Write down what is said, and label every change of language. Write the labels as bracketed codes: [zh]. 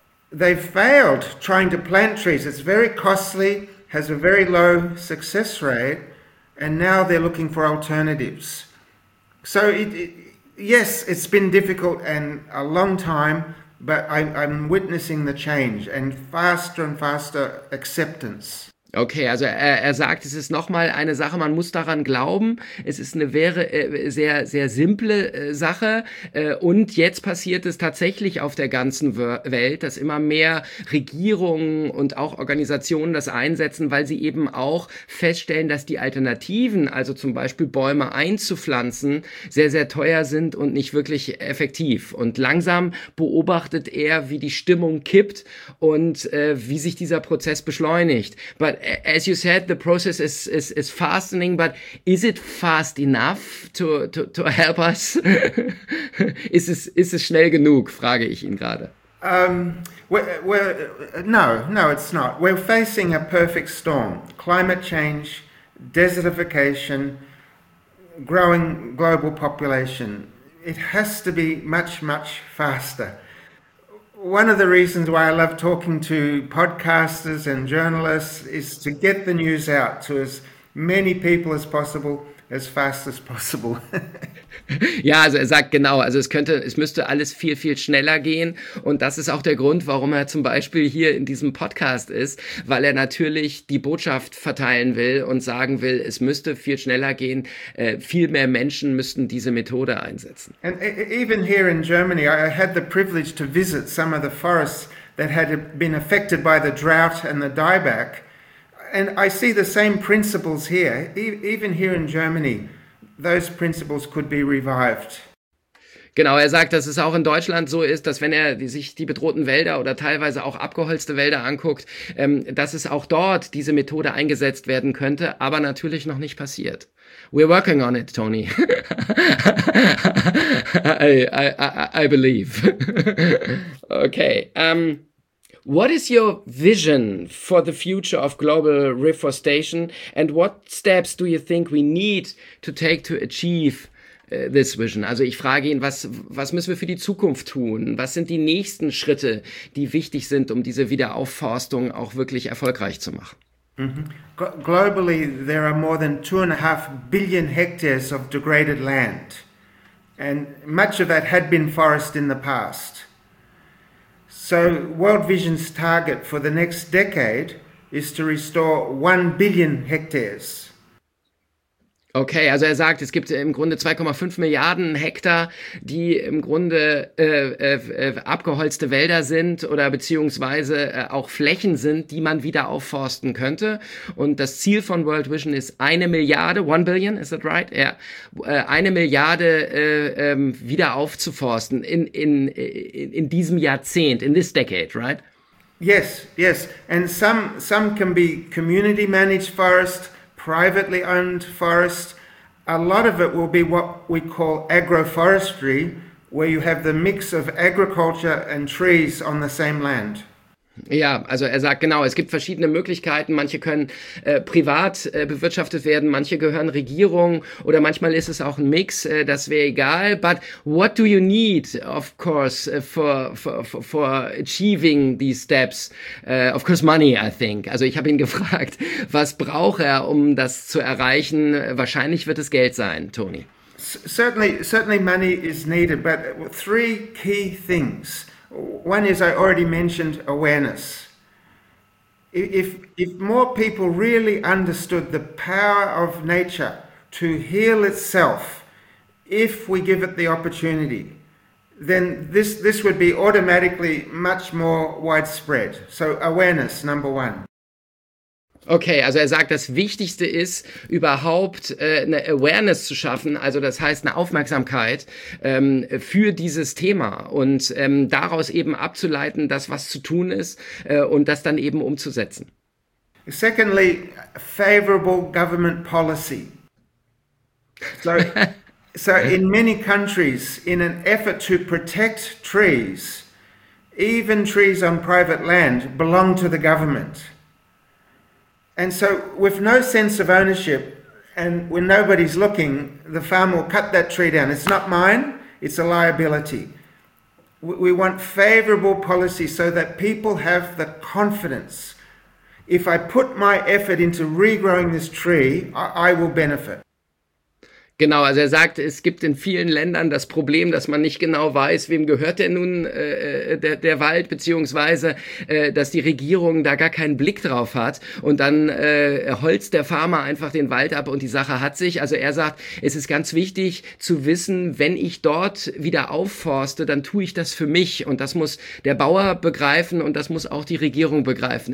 [en] They've failed trying to plant trees. It's very costly, has a very low success rate, and now they're looking for alternatives. So yes, it's been difficult and a long time, but I'm witnessing the change and faster acceptance. [de] Okay, also er sagt, es ist nochmal eine Sache, man muss daran glauben. Es ist eine sehr, sehr simple Sache. Und jetzt passiert es tatsächlich auf der ganzen Welt, dass immer mehr Regierungen und auch Organisationen das einsetzen, weil sie eben auch feststellen, dass die Alternativen, also zum Beispiel Bäume einzupflanzen, sehr, sehr teuer sind und nicht wirklich effektiv. Und langsam beobachtet er, wie die Stimmung kippt und wie sich dieser Prozess beschleunigt. [en] But as you said, the process is fastening, but is it fast enough to help us? [de] ist es schnell genug, frage ich ihn gerade. [en] No, it's not. We're facing a perfect storm. Climate change, desertification, growing global population. It has to be much, much faster. One of the reasons why I love talking to podcasters and journalists is to get the news out to as many people as possible, as fast as possible. [de] Ja, also er sagt genau, also es müsste alles viel, viel schneller gehen, und das ist auch der Grund, warum er zum Beispiel hier in diesem Podcast ist, weil er natürlich die Botschaft verteilen will und sagen will, es müsste viel schneller gehen, viel mehr Menschen müssten diese Methode einsetzen. [en] And even here in Germany, I had the privilege to visit some of the forests that had been affected by the drought and the dieback, and I see the same principles here, even here in Germany. Those principles could be revived. [de] Genau, er sagt, dass es auch in Deutschland so ist, dass wenn er sich die bedrohten Wälder oder teilweise auch abgeholzte Wälder anguckt, dass es auch dort diese Methode eingesetzt werden könnte, aber natürlich noch nicht passiert. [en] We're working on it, Tony. I believe. Okay. What is your vision for the future of global reforestation, and what steps do you think we need to take to achieve this vision? [de] Also ich frage ihn, was müssen wir für die Zukunft tun? Was sind die nächsten Schritte, die wichtig sind, um diese Wiederaufforstung auch wirklich erfolgreich zu machen? [en] Globally, there are more than 2.5 billion hectares of degraded land. And much of that had been forest in the past. So World Vision's target for the next decade is to restore 1 billion hectares. [de] Okay, also er sagt, es gibt im Grunde 2,5 Milliarden Hektar, die im Grunde abgeholzte Wälder sind oder beziehungsweise auch Flächen sind, die man wieder aufforsten könnte. Und das Ziel von World Vision ist [en] 1 billion, is that right? [de] Ja, 1 Milliarde wieder aufzuforsten in diesem Jahrzehnt, [en] in this decade, right? Yes, yes. And some can be community managed forest, privately owned forest. A lot of it will be what we call agroforestry, where you have the mix of agriculture and trees on the same land. [de] Ja, also er sagt, genau, es gibt verschiedene Möglichkeiten. Manche können privat bewirtschaftet werden, manche gehören Regierungen oder manchmal ist es auch ein Mix, das wäre egal. [en] But what do you need, of course, for achieving these steps? Of course, money, I think. [de] Also ich habe ihn gefragt, was braucht er, um das zu erreichen? Wahrscheinlich wird es Geld sein, Tony. [en] Certainly money is needed, but three key things. One is, I already mentioned, awareness. If more people really understood the power of nature to heal itself, if we give it the opportunity, then this would be automatically much more widespread. So awareness, number one. [de] Okay, also er sagt, das Wichtigste ist, überhaupt eine Awareness zu schaffen, also das heißt eine Aufmerksamkeit für dieses Thema und daraus eben abzuleiten, dass was zu tun ist und das dann eben umzusetzen. [en] Secondly, favorable government policy. So in many countries, in an effort to protect trees, even trees on private land belong to the government. And so with no sense of ownership and when nobody's looking, the farmer will cut that tree down. It's not mine, it's a liability. We want favorable policy so that people have the confidence. If I put my effort into regrowing this tree, I will benefit. [de] Genau, also er sagt, es gibt in vielen Ländern das Problem, dass man nicht genau weiß, wem gehört denn nun der Wald, beziehungsweise dass die Regierung da gar keinen Blick drauf hat und dann holzt der Farmer einfach den Wald ab und die Sache hat sich. Also er sagt, es ist ganz wichtig zu wissen, wenn ich dort wieder aufforste, dann tue ich das für mich und das muss der Bauer begreifen und das muss auch die Regierung begreifen.